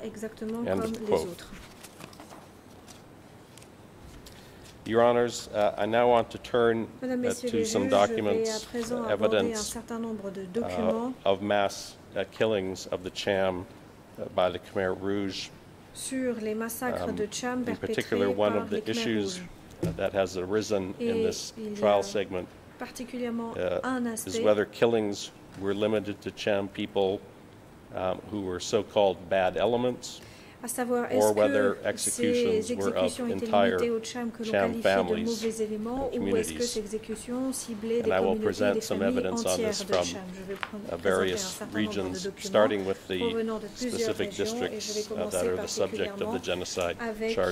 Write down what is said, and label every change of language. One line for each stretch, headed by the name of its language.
English: End of quote. Your Honours, I now want to turn to some documents, evidence of mass killings of the CHAM by the Khmer Rouge.
French: Sur les massacres de CHAM perpétrés par les Khmer Rouge.
English: One of the issues that has arisen in this trial segment is whether killings were limited to CHAM people who were so-called bad elements,
French: à savoir est-ce que ces exécutions étaient limitées aux CHAM que l'on qualifiait de mauvais éléments ou est-ce que ces exécutions ciblaient des communautés et des familles entières de CHAM. Je vais présenter un certain nombre de documents provenant de plusieurs régions et je vais commencer particulièrement avec